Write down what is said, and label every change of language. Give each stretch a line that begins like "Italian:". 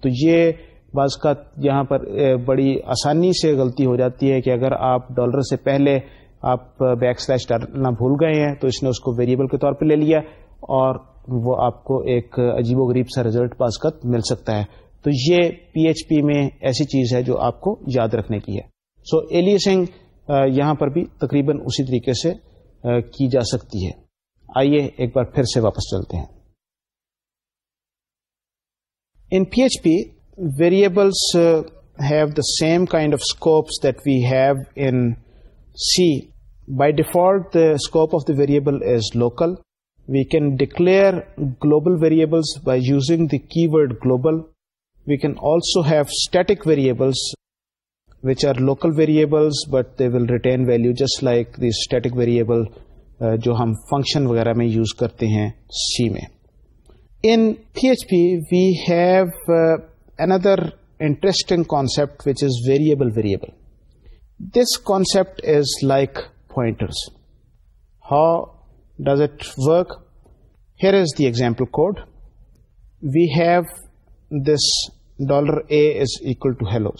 Urdu: تو یہ بعض کا یہاں پر بڑی آسانی سے غلطی ہو جاتی ہے کہ اگر آپ ڈالر سے پہلے آپ بیک سلیش ڈالنا بھول گئے ہیں تو اس نے اس کو ویریبل کے طور پہ لے لیا اور وہ آپ کو ایک عجیب و غریب سا رزلٹ پاس کر مل سکتا ہے. تو یہ پی ایچ پی میں ایسی چیز ہے جو آپ کو یاد رکھنے کی ہے. سو ایلیسنگ یہاں پر بھی تقریباً اسی طریقے سے کی جا سکتی ہے. آئیے ایک بار پھر سے واپس چلتے ہیں.
English: In PHP, variables have the same kind of scopes that we have in C. By default, the scope of the variable is local. We can declare global variables by using the keyword global. We can also have static variables, which are local variables, but they will retain value just like the static variable
Urdu: جو ہم function وغیرہ میں use کرتے ہیں سی میں.
English: In P H P we have another interesting concept which is variable variable. This concept is like pointers. How does it work? Here is the example code. We have this dollar a is equal to hello.